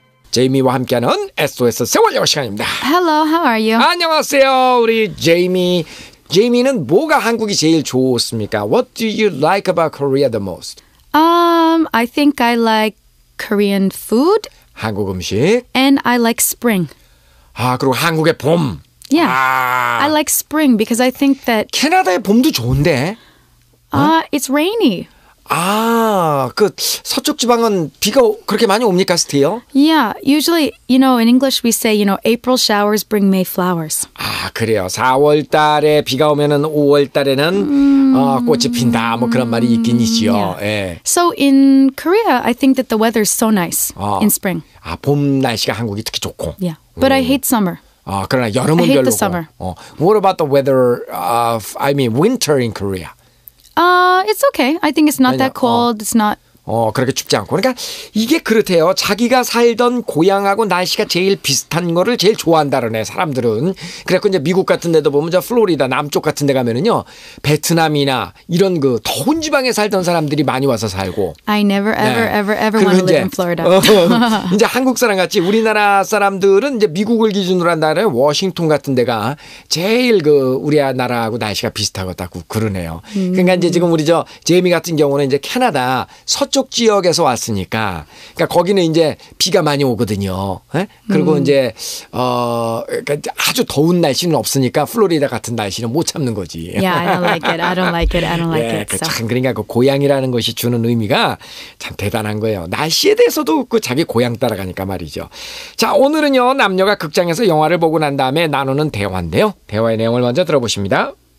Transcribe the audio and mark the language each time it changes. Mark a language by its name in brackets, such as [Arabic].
[Korean] 제이미와 함께하는 SOS 세월여행 시간입니다. [English] Hello, how are you? [Korean] 안녕하세요, 우리 제이미. 제이미는 뭐가 한국이 제일 좋습니까? [English] What do you like about Korea the most? I think I like Korean food. [Korean] 한국 음식. [English] And I like spring. [Korean] 아, 그리고 한국의 봄. [English] Yeah. 아. I like spring because I think that [Korean] 캐나다의 봄도 좋은데. [English] It's rainy. [Korean] 아, 그 서쪽 지방은 비가 그렇게 많이 옵니까, still? [English] Yeah, usually, you know, in English we say, you know, April showers bring May flowers. [Korean] 아, 그래요. 4월 달에 비가 오면은 5월 달에는 꽃이 핀다. 뭐 그런 말이 있긴 있지요. [English] Yeah. 예. So in Korea, I think that the weather is so nice in spring. [Korean] 아, 봄 날씨가 한국이 특히 좋고. [English] Yeah. But I hate summer. [Korean] 아, 그러나 여름은 별로고. [English] What about the weather of I mean winter in Korea? It's okay. I think it's not that cold. It's not. [Korean] 그렇게 춥지 않고. 그러니까 이게 그렇대요. 자기가 살던 고향하고 날씨가 제일 비슷한 거를 제일 좋아한다는 애 사람들은. 그래서 이제 미국 같은 데도 보면 저 플로리다 남쪽 같은 데 가면은요. 베트남이나 이런 그 더운 지방에 살던 사람들이 많이 와서 살고. [English] I never ever 네. ever want to live in Florida. [Korean] 이제 한국 사람 같이 우리나라 사람들은 이제 미국을 기준으로 한다면 워싱턴 같은 데가 제일 그 우리나라하고 날씨가 비슷하고 딱 그러네요. 그러니까 이제 지금 우리 저 제이미 같은 경우는 이제 캐나다 서쪽 지역에서 왔으니까, 그러니까 거기는 이제 비가 많이 오거든요. 에? 그리고 이제 그러니까 아주 더운 날씨는 없으니까 플로리다 같은 날씨는 못 참는 거지. [English] Yeah, I don't like it. I don't like it. I don't like [Korean] 예, 그 참 그러니까 그 고향이라는 것이 주는 의미가 참 대단한 거예요. 날씨에 대해서도 그 자기 고향 따라가니까 말이죠. 자, 오늘은요 남녀가 극장에서 영화를 보고 난 다음에 나누는 대화인데요. 대화의 내용을 먼저 들어보십니다.